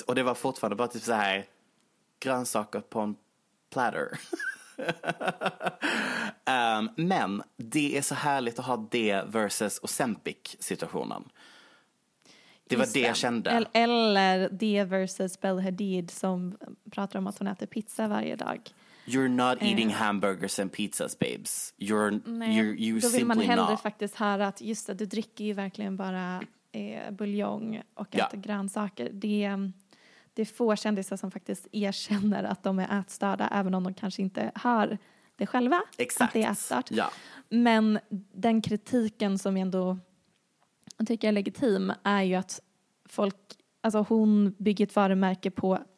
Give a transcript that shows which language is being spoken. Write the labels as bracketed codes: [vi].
[sv] Och det var fortfarande bara typ så här, grönsaker på en platter. men det är så härligt att ha det versus Ozempic-situationen. Det var det jag kände. Eller det versus Bella Hadid som pratar om att hon äter pizza varje dag. [en] You're not eating hamburgers and pizzas, babes. You simply not. [sv] Då vill man hellre [en] not. [sv] Faktiskt höra att just det, du dricker ju verkligen bara buljong och äter grönsaker. Det är få kändisar som faktiskt erkänner att de är ätstörda, även om de kanske inte hör det själva. Exakt. Att det är ätstört. Ja. Men den kritiken som ändå tycker jag är legitim är ju att folk, alltså hon bygger ett varumärke på